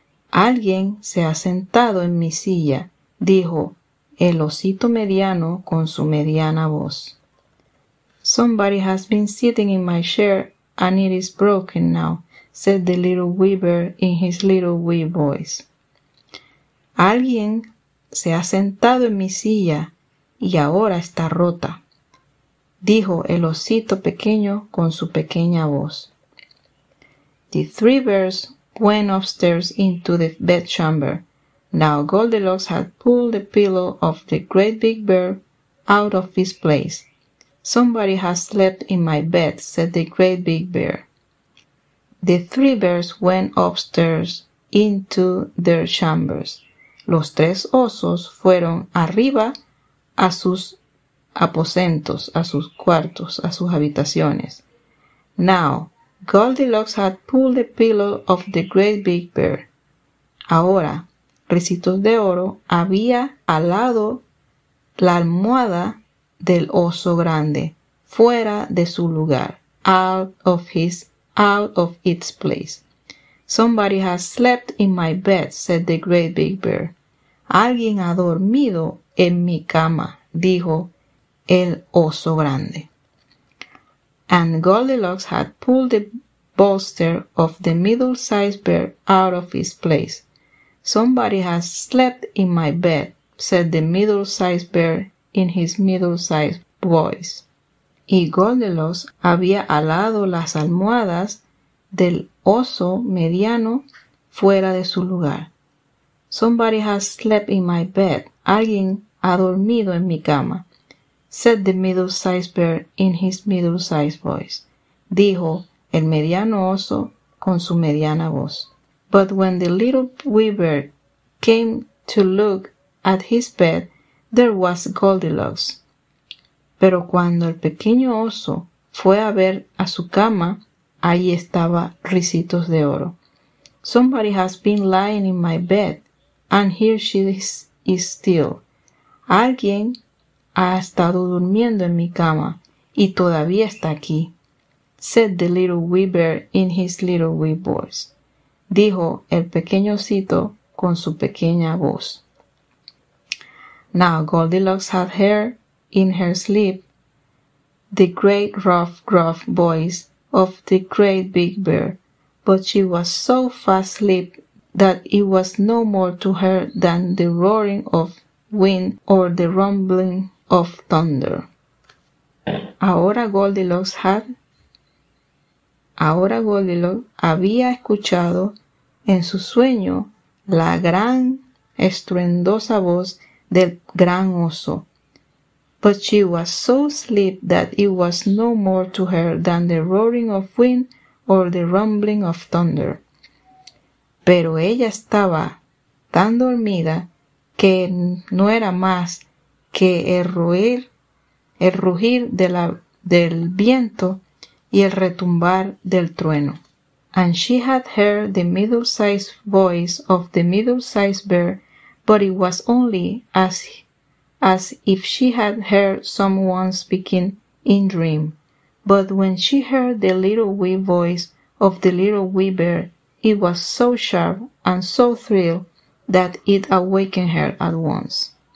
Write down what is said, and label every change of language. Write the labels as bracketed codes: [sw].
[es] Alguien se ha sentado en mi silla, dijo el osito mediano con su mediana voz. [en] Somebody has been sitting in my chair and it is broken now, said the little wee bear in his little wee voice. [es] Alguien se ha sentado en mi silla y ahora está rota, dijo el osito pequeño con su pequeña voz. [en] The three bears went upstairs into the bedchamber. Now Goldilocks had pulled the pillow of the great big bear out of its place. Somebody has slept in my bed, said the great big bear. The three bears went upstairs into their chambers. [es] Los tres osos fueron arriba a sus aposentos, a sus cuartos, a sus habitaciones. [en] Now, Goldilocks had pulled the pillow of the great big bear. [es] Ahora, Ricitos de Oro había alado la almohada del oso grande, fuera de su lugar, [en] out of its place. Somebody has slept in my bed, said the great big bear. [es] Alguien ha dormido en mi cama, dijo el oso grande. [en] And Goldilocks had pulled the bolster of the middle-sized bear out of its place. Somebody has slept in my bed, said the middle-sized bear in his middle-sized voice. [es] Y Goldilocks había alado las almohadas del oso mediano fuera de su lugar. [en] Somebody has slept in my bed. [es] Alguien ha dormido en mi cama, [en] said the middle-sized bear in his middle-sized voice. [es] Dijo el mediano oso con su mediana voz. [en] But when the little wee bear came to look at his bed, there was Goldilocks. [es] Pero cuando el pequeño oso fue a ver a su cama, ahí estaba Ricitos de Oro. [en] Somebody has been lying in my bed. And here she is still. [es] Alguien ha estado durmiendo en mi cama y todavía está aquí, [en] said the little wee bear in his little wee voice. [es] Dijo el pequeño osito con su pequeña voz. [en] Now Goldilocks had her in her sleep, the great rough gruff voice of the great big bear, but she was so fast asleep that it was no more to her than the roaring of wind or the rumbling of thunder. [es] Ahora Goldilocks había escuchado en su sueño la gran estruendosa voz del gran oso. [en] But she was so asleep that it was no more to her than the roaring of wind or the rumbling of thunder. [es] Pero ella estaba tan dormida que no era más que el rugir del viento y el retumbar del trueno. [en] And she had heard the middle-sized voice of the middle-sized bear, but it was only as if she had heard someone speaking in dream. But when she heard the little wee voice of the little wee bear, it was so sharp and so thrilled that it awakened her at once.